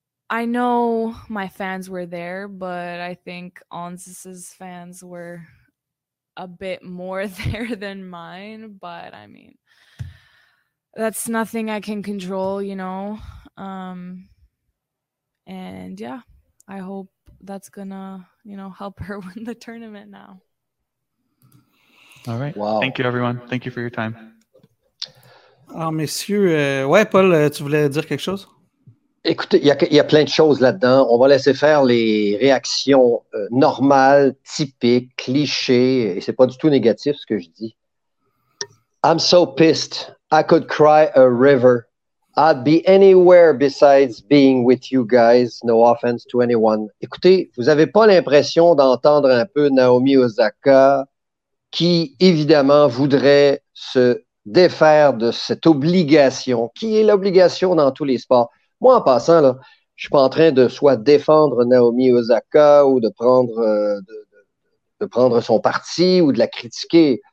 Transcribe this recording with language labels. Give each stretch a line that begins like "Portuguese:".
English: I know my fans were there, but I think Onsis's fans were a bit more there than mine. But I mean, that's nothing I can control, you know? And yeah, I hope that's gonna, you know, help her win the tournament now. All right. Wow. Thank you, everyone. Thank you for your time.
French: Alors, messieurs, ouais, Paul, tu voulais dire quelque chose? Écoutez, il y a plein de choses là-dedans. On va laisser faire les réactions normales, typiques, clichés, et c'est pas du tout négatif ce que je dis.
English: I'm so pissed. I could cry a river. I'd be anywhere besides being with you guys. No offense to anyone.
French: Écoutez, vous n'avez pas l'impression d'entendre un peu Naomi Osaka qui, évidemment, voudrait se défaire de cette obligation, qui est l'obligation dans tous les sports. Moi, en passant, là, je suis pas en train de soit défendre Naomi Osaka ou de prendre son parti ou de la critiquer.